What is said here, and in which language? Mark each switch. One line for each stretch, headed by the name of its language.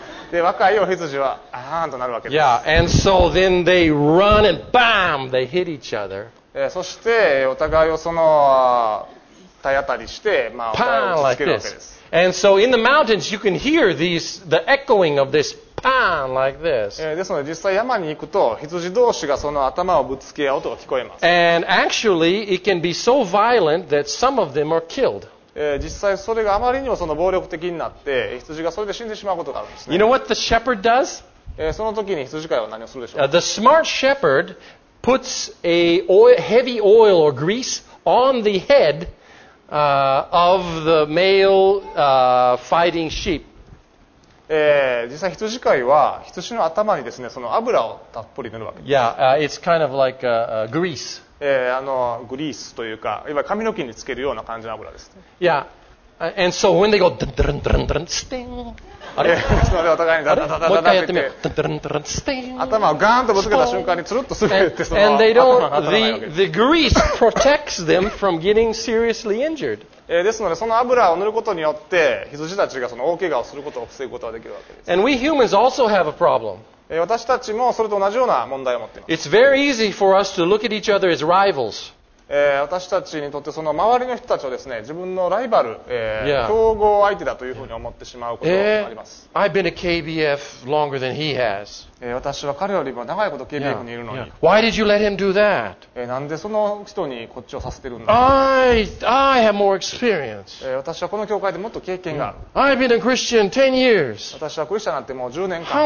Japanese: で、若いお羊は、となるわけです。
English: Yeah. And so then they run and bam! They hit each other.
Japanese: そしてお互いをその体当たりして、まあ、パーン、
English: like this. And so in the mountains, you can hear these, the echoing of this pan like this.
Japanese: ですので実際山に行くと、羊同士がその頭をぶつけ合う音が聞こえます。
English: And actually, it can be so violent that some of them are killed.
Japanese: 実際それがあまりにもその暴力的になって、羊がそれで死んでしまうことがあるんですね。
English: You know what the shepherd does?
Japanese: その時に羊飼いは何をするでしょうか。
English: The smart shepherd puts a heavy oil or grease on the head. Of the male fighting sheep.
Japanese: 実際羊飼いは羊の頭にですね、その油をたっぷり塗るわけです。
English: Yeah, it's kind of like grease.
Japanese: グリースというか、いわゆる髪の毛につけるような感じの油ですね。
English: Yeah, and so when they go ドゥンドゥンドゥンドゥン、スティン。
Japanese: あれ、そのお互いにダダダダダダ。もう一回やってみよう。ドゥンドゥンドゥン、スティン。頭をガーンとぶつけた瞬間につるっと滑ってその頭が当たらないわけです。
English: The grease protects them from getting seriously injured.
Japanese: ですので、その油を塗ることによって、羊たちがその大怪我をすることを防ぐことができるわけです。
English: And we humans also have a problem.
Japanese: 私たちもそれと同じような問題を持っています。
English: It's very easy for us to look at each other as rivals.
Japanese: 私たちにとってその周りの人たちをですね、自分のライバル、競合相手だというふうに思ってしまうこともあります。
English: I've been a KBF longer than he has.
Japanese: 私は彼よりも長いこと KBF にいるのに。
English: Why did you let him do that?
Japanese: なんでその人にこっちをさせてるんだ。
English: I have more experience.
Japanese: 私はこの教会でもっと経験がある。
English: I've been a Christian 10 years.
Japanese: 私はクリスチャンになってもう10年間。